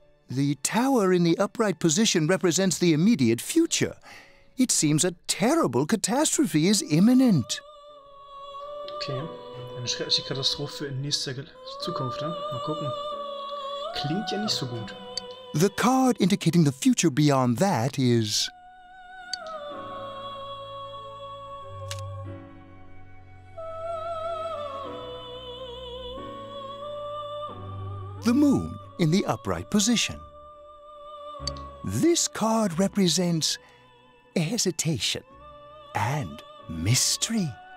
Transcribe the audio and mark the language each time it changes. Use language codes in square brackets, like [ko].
[en] The tower in the upright position represents the immediate future. It seems a terrible catastrophe is imminent. [de] Okay, eine schreckliche Katastrophe in nächster Zukunft, ne? Mal gucken. Klingt ja nicht so gut. [en] The card indicating the future beyond that is... the moon in the upright position. This card represents hesitation and mystery.